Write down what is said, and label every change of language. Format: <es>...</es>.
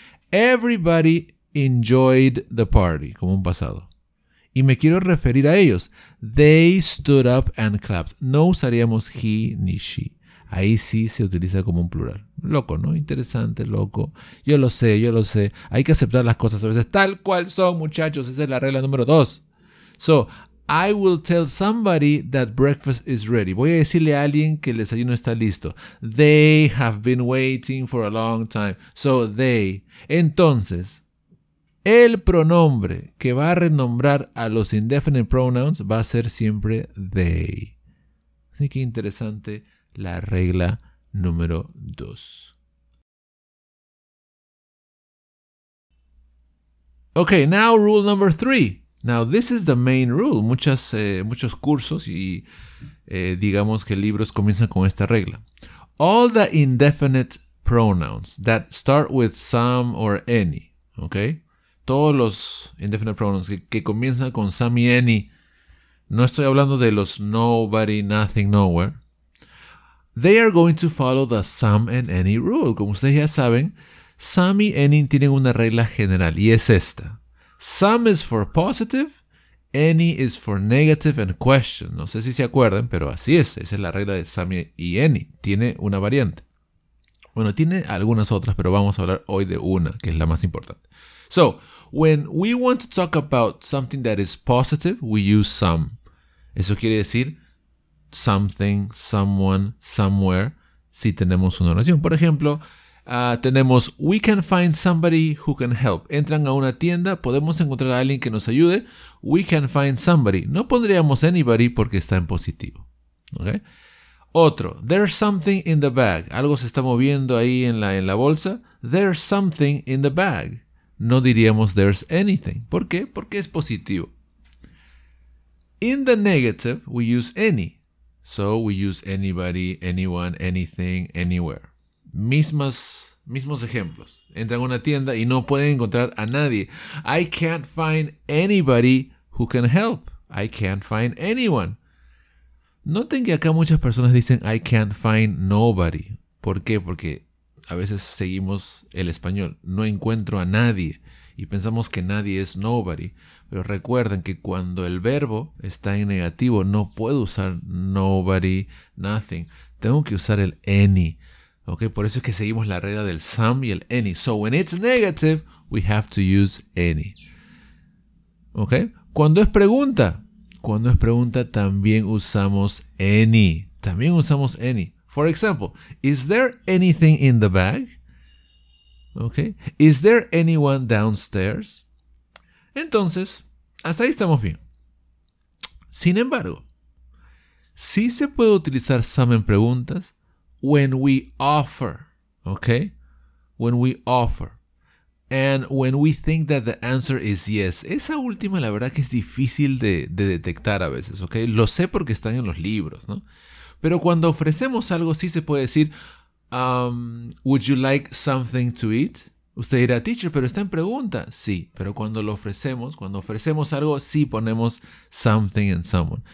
<en>Everybody enjoyed the party,</en> <es>como un pasado. Y me quiero referir a ellos.</es> <en>They stood up and clapped.</en> <es>No usaríamos he ni she. Ahí sí se utiliza como un plural. Loco, ¿no? Interesante, loco. Yo lo sé. Hay que aceptar las cosas a veces tal cual son, muchachos. Esa es la regla número dos.</es> <en>So, I will tell somebody that breakfast is ready.</en> <es>Voy a decirle a alguien que el desayuno está listo.</es> <en>They have been waiting for a long time.</en> <es>So they. Entonces, el pronombre que va a renombrar a los indefinite pronouns va a ser siempre they. Así que interesante la regla número 2.</es> <en>Okay, now rule number 3. Now, this is the main rule.</en> <es>Muchos cursos y digamos que libros comienzan con esta regla.</es> <en>All the indefinite pronouns that start with some or any, okay?</en> <es>Todos los indefinite pronouns que comienzan con some y any, no estoy hablando de los nobody, nothing, nowhere,</es> <en>they are going to follow the some and any rule.</en> <es>Como ustedes ya saben, some y any tienen una regla general y es esta.</es> <en>Some is for positive, any is for negative and question.</en> <es>No sé si se acuerdan, pero así es. Esa es la regla de some y any. Tiene una variante. Bueno, tiene algunas otras, pero vamos a hablar hoy de una, que es la más importante.</es> <en>So, when we want to talk about something that is positive, we use some.</en> <es>Eso quiere decir something, someone, somewhere, si tenemos una oración. Por ejemplo...</es> <en>tenemos, we can find somebody who can help.</en> <es>Entran a una tienda, podemos encontrar a alguien que nos ayude.</es> <en>We can find somebody.</en> <es>No pondríamos anybody porque está en positivo. Okay?</es> <en>Otro, there's something in the bag.</en> <es>Algo se está moviendo ahí en la bolsa.</es> <en>There's something in the bag.</en> <es>No diríamos</es> <en>there's anything. ¿Por qué?</en> <es>Porque es positivo.</es> <en>In the negative, we use any. So we use anybody, anyone, anything, anywhere.</en> <es>Mismos ejemplos. Entran a una tienda y no pueden encontrar a nadie.</es> <en>I can't find anybody who can help. I can't find anyone.</en> <es>Noten que acá muchas personas dicen</es> <en>I can't find nobody.</en> <es>¿Por qué? Porque a veces seguimos el español. No encuentro a nadie. Y pensamos que nadie es nobody. Pero recuerden que cuando el verbo está en negativo, no puedo usar nobody, nothing. Tengo que usar el any. Okay, por eso es que seguimos la regla del some y el any.</es> <en>So when it's negative, we have to use any.</en> <es>Okay, cuando es pregunta también usamos any. También usamos any.</es> <en>For example, is there anything in the bag? Okay, is there anyone downstairs?</en> <es>Entonces, hasta ahí estamos bien. Sin embargo, sí se puede utilizar some en preguntas</es> <en>when we offer,</en> <es>okay?</es> <en>When we offer. And when we think that the answer is yes.</en> <es>Esa última, la verdad que es difícil de detectar a veces, okay? Lo sé porque están en los libros, ¿no? Pero cuando ofrecemos algo, sí se puede decir,</es> <en>would you like something to eat?</en> <es>Usted dirá, teacher, pero está en pregunta. Sí, pero cuando ofrecemos algo, sí ponemos something and someone.</es>